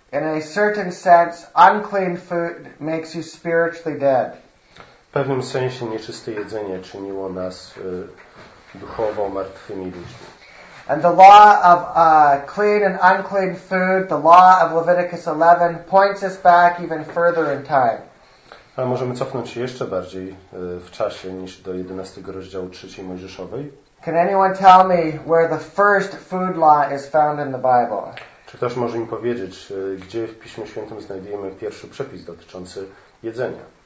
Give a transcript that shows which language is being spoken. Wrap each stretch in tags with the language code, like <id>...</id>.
<en>In a certain sense, unclean food makes you spiritually dead.</en> <pl>W pewnym sensie nieczyste jedzenie czyniło nas duchowo martwymi ludźmi.</pl> <en>And the law of clean and unclean food, the law of Leviticus 11, points us back even further in time.</en> <pl>A możemy cofnąć się jeszcze bardziej w czasie niż do 11 rozdziału 3 Mojżeszowej.</pl> <en>Can anyone tell me where the first food law is found in the Bible?</en> <pl>Czy ktoś może mi powiedzieć, gdzie w Piśmie Świętym znajdujemy pierwszy przepis dotyczący jedzenia?</pl>